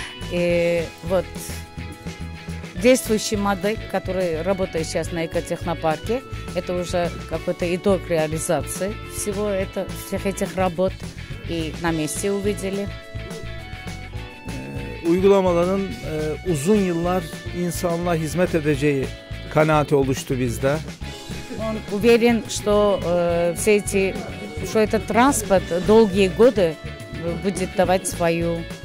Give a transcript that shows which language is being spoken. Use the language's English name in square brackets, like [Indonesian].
[Russian] И вот действующая модель, которая работает сейчас на Экотехнопарке, это уже какой-то итог реализации всего этого, всех этих работ, и на месте увидели. [Turkish] Uygulamaların uzun yıllar insanlığa hizmet edeceği kanaati oluştu bizde. [Russian] Он уверен, что все эти, что этот транспорт долгие годы будет давать свою